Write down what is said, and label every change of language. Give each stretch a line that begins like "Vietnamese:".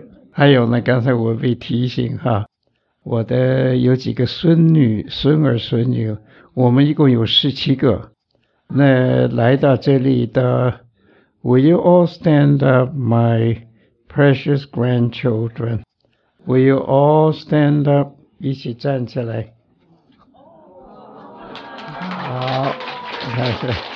Chinese: 还有呢，刚才我被提醒哈，我的有几个孙女、孙儿、孙女，我们一共有17个。那来到这里的
English: ，Will you all stand up, my precious grandchildren? Will you all stand up?
Chinese: 一起站起来。好。
English: Thank you.